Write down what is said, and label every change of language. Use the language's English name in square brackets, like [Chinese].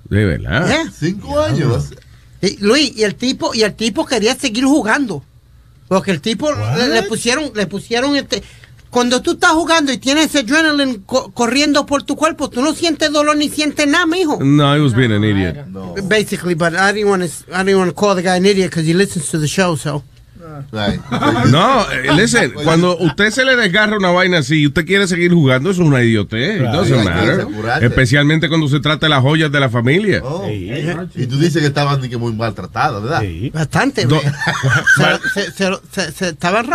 [Spanish] De verdad. ¿Eh? 5 años. Y, Luis, y el tipo quería seguir jugando. Porque el tipo le pusieron este... Cuando tú estás jugando y tienes ese adrenaline corriendo por tu cuerpo, tú no sientes dolor ni sientes nada, mijo. [English] No, he was being an idiot. Basically, but I didn't want to call the guy an idiot because he listens to the show, so. [Spanish] No, listen, cuando usted se le desgarra una vaina así y usted quiere seguir jugando, eso es una idiotez. [English] Right. It doesn't matter. [Spanish] Especialmente cuando se trata de las joyas de la familia. Oh. Hey, y tú dices que estaban muy maltratados, ¿verdad? Sí. Bastante. se estaba raro.